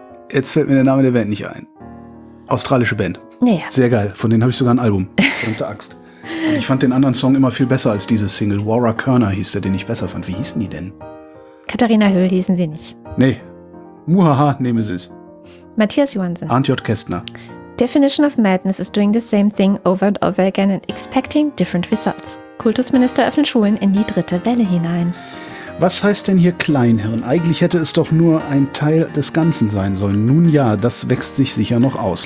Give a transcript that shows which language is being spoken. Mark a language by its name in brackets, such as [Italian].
[German] Jetzt fällt mir der Name der Band nicht ein. Australische Band. Naja. Sehr geil. Von denen habe ich sogar ein Album. Verdammte Axt. Und ich fand den anderen Song immer viel besser als diese Single. Wara Kerner hieß der, den ich besser fand. Wie hießen die denn? Katharina Höhl hießen sie nicht. Nee. Muhaha, Nemesis. Matthias Johansen. Arndt J. Kästner. [English] Definition of madness is doing the same thing over and over again and expecting different results. [German] Kultusminister öffnet Schulen in die dritte Welle hinein. Was heißt denn hier Kleinhirn? Eigentlich hätte es doch nur ein Teil des Ganzen sein sollen. Nun ja, das wächst sich sicher noch aus.